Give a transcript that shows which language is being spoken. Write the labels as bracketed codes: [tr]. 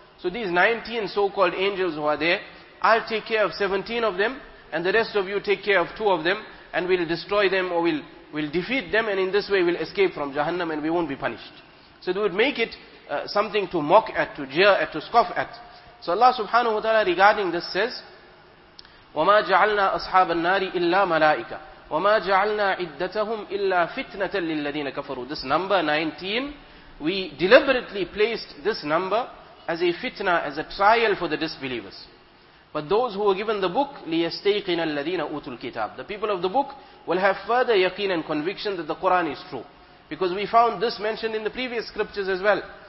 [en] So these 19 so-called angels who are there, I'll take care of 17 of them, and the rest of you take care of two of them, and we'll destroy them or we'll defeat them, and in this way we'll escape from Jahannam and we won't be punished. So they would make it something to mock at, to jeer at, to scoff at. So Allah subhanahu wa ta'ala regarding this says, [ar] وَمَا جَعَلْنَا أَصْحَابَ النَّارِ إِلَّا مَلَائِكَ وَمَا جَعَلْنَا عِدَّتَهُمْ إِلَّا فِتْنَةً لِلَّذِينَ كَفَرُوا. [en] This number 19, we deliberately placed this number as a fitna, as a trial for the disbelievers. But those who were given the book, [ar] لِيَسْتَيْقِنَ الَّذِينَ أُوتُوا الْكِتَابِ. [en] The people of the book will have further yaqeen and conviction that the Quran is true. Because we found this mentioned in the previous scriptures as well.